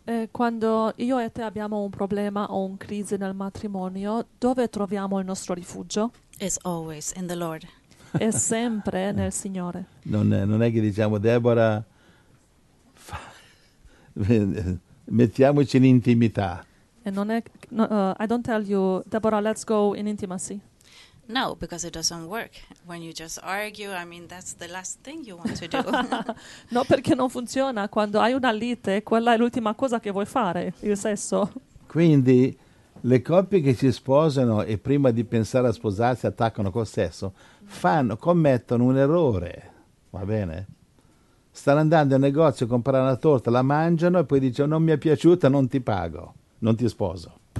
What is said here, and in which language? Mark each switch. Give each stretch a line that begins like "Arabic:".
Italian: Quando io e te abbiamo un problema o un crisi nel matrimonio, dove troviamo il nostro rifugio?
English: It's always in the Lord.
Italian: È sempre nel Signore. Non è che diciamo, Deborah... mettiamoci in intimità.
English: I don't tell you, Deborah, let's go in intimacy. No, because it doesn't work. When you just argue, I mean, that's the last thing you want to do.
Italian: No, perché non funziona. Quando hai una lite, quella è l'ultima cosa che vuoi fare, il sesso. Quindi, le coppie che si sposano e prima di pensare a sposarsi attaccano col sesso, commettono un errore, va bene? Stanno andando al negozio a comprare una torta, la mangiano e poi dice: non mi è piaciuta, non ti pago, non ti sposo.